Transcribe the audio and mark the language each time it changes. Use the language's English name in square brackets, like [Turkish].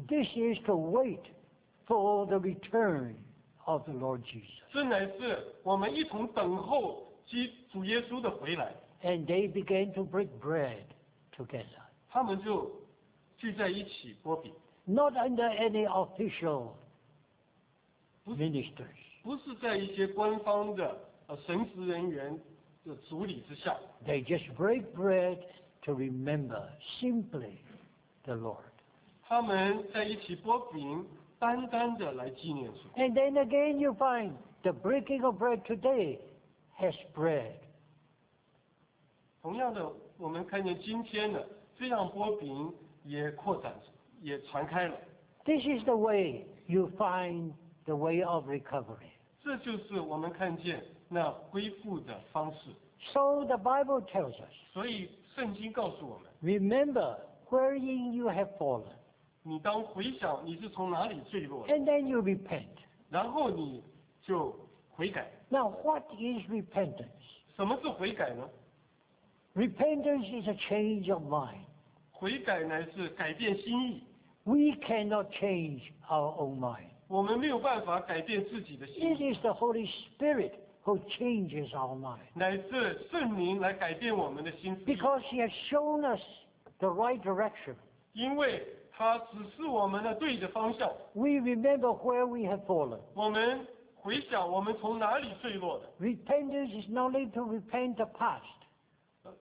[English] This is to wait for the return of the Lord Jesus. [Chinese] 这乃是我们一同等候主耶稣的回来。 [English] And they began to break bread together. [Chinese] 他们就聚在一起擘饼。 [English] Not under any official ministers. [Chinese] 不是在一些官方的神职人员的主理之下。 [English] They just break bread. To remember simply the Lord. [Chinese] 他们在一起擘饼，单单的来纪念主。 [English] And then again, you find the breaking of bread today has spread. [Chinese] 同样的，我们看见今天的这样擘饼也扩展，也传开了。 [English] This is the way you find the way of recovery. [Chinese] 这就是我们看见那恢复的方式。 [English] So the Bible tells us. [Chinese] 所以圣经告诉我们。 [English] Remember wherein you have fallen. [Chinese] 你当回想你是从哪里坠落的。 [English] And then you repent. [Chinese] 然后你就悔改。 [English] Now what is repentance? [Chinese] 什么是悔改呢？ [English] Repentance is a change of mind. [Chinese] 悔改乃是改变心意。 [English] We cannot change our own mind. [Chinese] 我们没有办法改变自己的心意。 [English] It is the Holy Spirit. Who changes our mind? [Chinese] 乃是圣灵来改变我们的心思。 [English] Because he has shown us the right direction. [Chinese] 因为他指示我们的对的方向。 [English] We remember where we have fallen. [Chinese] 我们回想我们从哪里坠落的。 [English] Repentance is not only to repent the past.